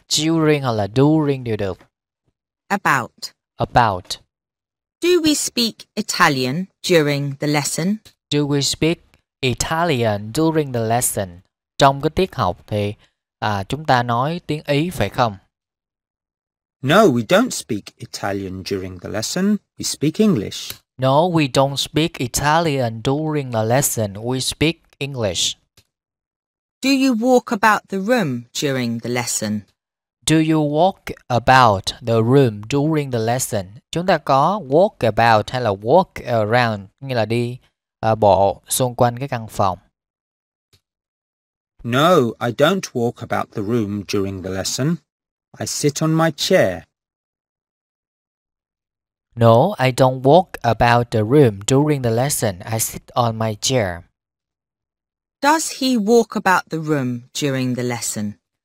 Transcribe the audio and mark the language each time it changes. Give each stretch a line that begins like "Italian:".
Vietnamese: During hoặc là during đều được.
English: About. About. Do we speak Italian during the lesson? Do we speak Italian during the lesson?
Vietnamese: Trong cái tiết học thì chúng ta nói tiếng Ý phải không?
English: No, we don't speak Italian during the lesson. We speak English. No, we don't speak Italian during the lesson. We speak English. Do you walk about the room during the lesson? Do you walk about the room during the lesson?
Vietnamese: Chúng ta có walk about hay là walk around, nghĩa là đi bộ xung quanh cái căn phòng.
English: No, I don't walk about the room during the lesson. I sit on my chair. No, I don't walk about the room during the lesson. I sit on my chair. Does he walk about the room during the lesson?